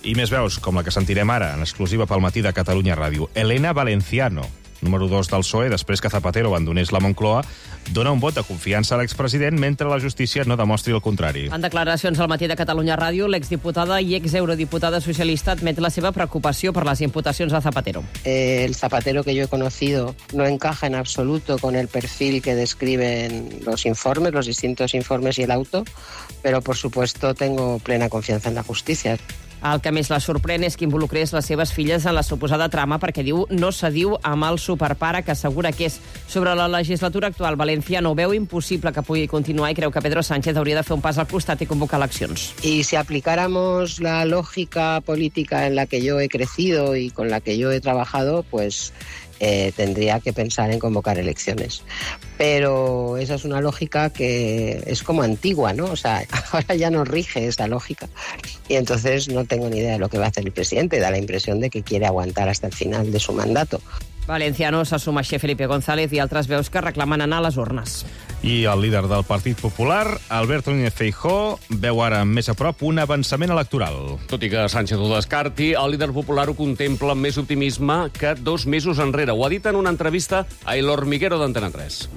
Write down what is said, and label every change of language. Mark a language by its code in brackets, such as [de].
[ca] I més veus, com la que sentirem ara, en exclusiva pel matí de Catalunya Ràdio. Elena Valenciano. número 2 del PSOE, després que Zapatero abandonés la Moncloa, dona un vot de confiança a l'expresident mentre la justícia no demostri el contrari. En declaracions al matí de Catalunya Ràdio, l'exdiputada i exeurodiputada socialista admet la seva preocupació per les imputacions de Zapatero. [es] El Zapatero que yo he conocido no encaja en absoluto con el perfil que describen los informes, los distintos informes y el auto, pero por supuesto tengo plena confianza en la justicia. [ca] El que més la sorprèn és que involucrés les seves filles en la suposada trama perquè, diu, no cediu amb el superpare, que assegura que és. Sobre la legislatura actual, València no veu impossible que pugui continuar i creu que Pedro Sánchez hauria de fer un pas al costat i convocar eleccions. [es] Y si aplicáramos la lógica política en la que yo he crecido y con la que yo he trabajado, pues tendría que pensar en convocar elecciones. Pero esa es una lógica que es como antigua, ¿no? O sea, ahora ya no rige esa lógica. Y entonces no tengo ni idea de lo que va a hacer el presidente. Da la impresión de que quiere aguantar hasta el final de su mandato. [ca] Valenciano s'assuma així Felipe González i altres veus que reclamen anar a les urnes. I el líder del Partit Popular, Alberto Núñez Feijóo, veu ara més a prop un avançament electoral. Tot i que Sánchez ho descarti, el líder popular ho contempla amb més optimisme que dos mesos enrere. Ho ha dit en una entrevista a El Hormiguero d'Antena 3.